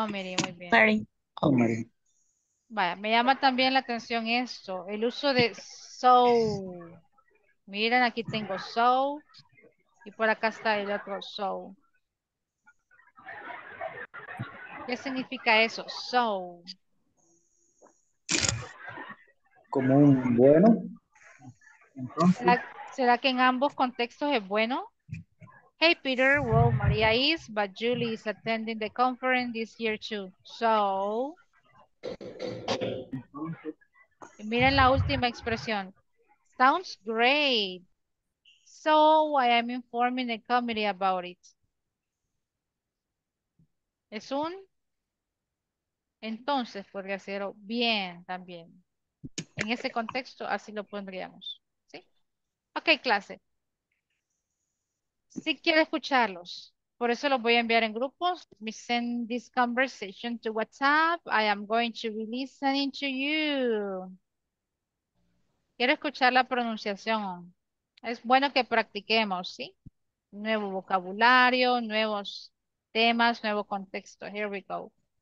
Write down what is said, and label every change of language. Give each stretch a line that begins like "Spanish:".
English: So I am informing the committee about it.
Spanish: Vaya, me llama también la atención esto, el uso de so. Miren, aquí tengo so y por acá está el otro so. ¿Qué significa eso? So. Como un bueno. Entonces, ¿Será que en ambos contextos es bueno?
English: Hey, Peter. Well, Maria is, but Julie is attending the conference this year too. So.
Spanish: Entonces, miren la última expresión.
English: Sounds great. So I am informing the committee about it.
Spanish: Es un. Entonces, podría ser bien también. En ese contexto, así lo pondríamos. ¿Sí? Ok, clase. Si quiere escucharlos, por eso los voy a enviar en grupos.
English: Me send this conversation to WhatsApp. I am going to be listening to you.
Spanish: Quiero escuchar la pronunciación. Es bueno que practiquemos, ¿sí? Nuevo vocabulario, nuevos temas, nuevo contexto.
English: Here we go.